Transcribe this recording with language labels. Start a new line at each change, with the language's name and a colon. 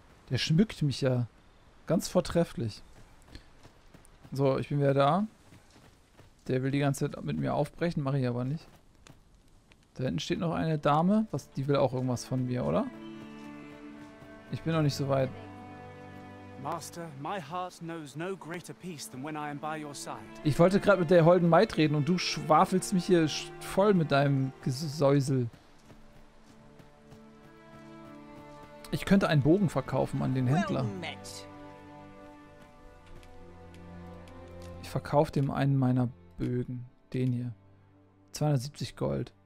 German: Der schmückt mich ja ganz vortrefflich. So, ich bin wieder da. Der will die ganze Zeit mit mir aufbrechen, mache ich aber nicht. Da hinten steht noch eine Dame. Was, die will auch irgendwas von mir, oder? Ich bin noch nicht so weit.
English: Master, my heart knows no greater peace than when I am by your side.
German: Ich wollte gerade mit der Holden Maid reden und du schwafelst mich hier voll mit deinem Gesäusel. Ich könnte einen Bogen verkaufen an den Händler. Ich verkaufe dem einen meiner Bögen. Den hier. 270 Gold.